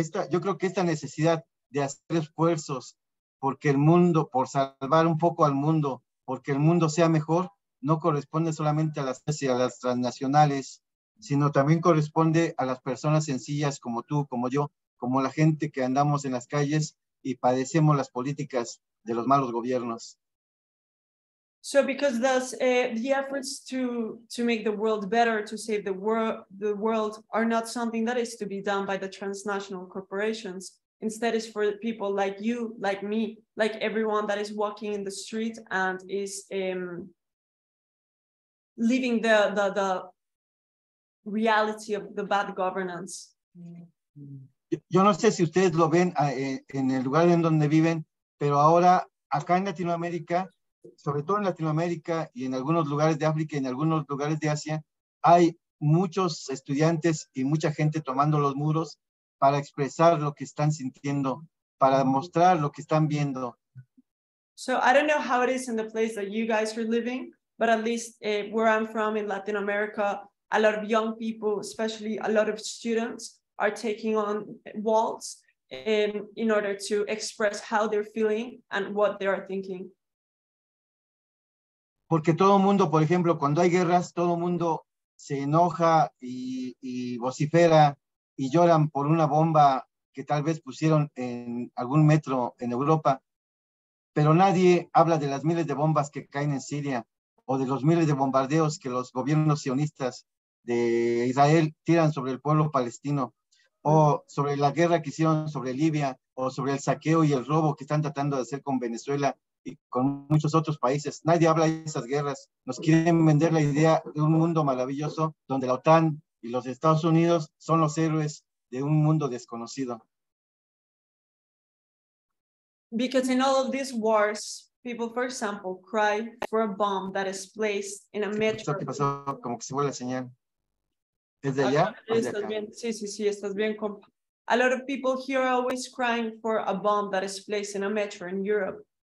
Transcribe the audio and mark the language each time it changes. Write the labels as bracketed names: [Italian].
[Spanish] Yo creo que esta necesidad de hacer esfuerzos porque el mundo, por salvar un poco al mundo, porque el mundo sea mejor, no corresponde solamente a las transnacionales, sino también corresponde a las personas sencillas como tú, como yo, como la gente que andamos en las calles y padecemos las políticas de los malos gobiernos. [English] So because thus the efforts to make the world better, to save the world are not something that is to be done by the transnational corporations. Instead, it's for people like you, like me, like everyone that is walking in the street and is leaving the reality of the bad governance. [Spanish] Yo no sé si ustedes lo ven en el lugar en donde viven, pero ahora acá en Latinoamérica, sobre todo en Latinoamérica y en algunos lugares de África y en algunos lugares de Asia, hay muchos estudiantes y mucha gente tomando los muros para expresar lo que están sintiendo, para mostrar lo que están viendo. [English] So I don't know how it is in the place that you guys are living, but at least where I'm from in Latin America, a lot of young people, especially a lot of students, are taking on walls in order to express how they're feeling and what they are thinking. [Spanish] Porque todo mundo, por ejemplo, cuando hay guerras, todo mundo se enoja y vocifera y lloran por una bomba que tal vez pusieron en algún metro en Europa, pero nadie habla de las miles de bombas que caen en Siria o de los miles de bombardeos que los gobiernos sionistas de Israel tiran sobre el pueblo palestino, o sobre la guerra que hicieron sobre Libia, o sobre el saqueo y el robo que están tratando de hacer con Venezuela y con muchos otros países. Nadie habla de esas guerras. Nos quieren vender la idea de un mundo maravilloso donde la OTAN y los Estados Unidos son los héroes de un mundo desconocido. [English] Because in all of these wars, people, for example, cry for a bomb that is placed in a metro. [Spanish] ¿Qué pasó? Como que se fue la señal. ¿Desde allá? Sí, estás bien. [English] A lot of people here are always crying for a bomb that is placed in a metro in Europe.